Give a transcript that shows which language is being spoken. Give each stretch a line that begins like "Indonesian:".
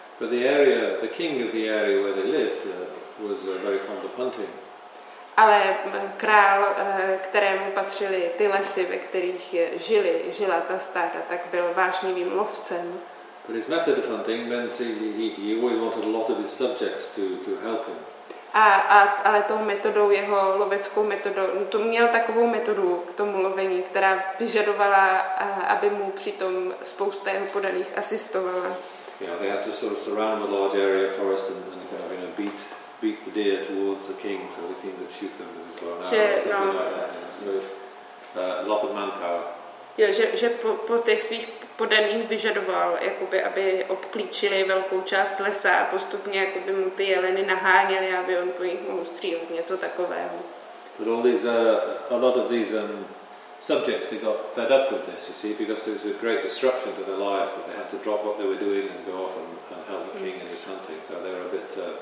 English: But the area, the king of the area where they lived, was very fond of hunting.
Czech: Ale král, kterému patřily ty lesy, ve kterých žila ta stáda, tak byl vášnivým lovcem.
English: But his method of hunting meant he always wanted a lot of his subjects to help him.
Czech: Ale tou metodou, jeho loveckou metodou, to měl takovou metodu k tomu lovení, která vyžadovala, aby mu přitom spousta jeho podaných asistovala.
English: Yeah, they had to sort of surround a large area of forest and kind of, you know, beat the deer towards the king, so the king would shoot them with his bow and arrow, something like that. You know. So a lot of manpower.
Czech: Jo, že po těch svých podaných vyžadoval, jakoby, aby obklíčili velkou část lesa a postupně jakoby mu ty jeleny naháněli, aby on po nich mohl střílet, něco takového.
English: But all these, a lot of these subjects, they got fed up with this, you see, because it was a great disruption to their lives, that they had to drop what they were doing and go off and help the king in his hunting, so they were a bit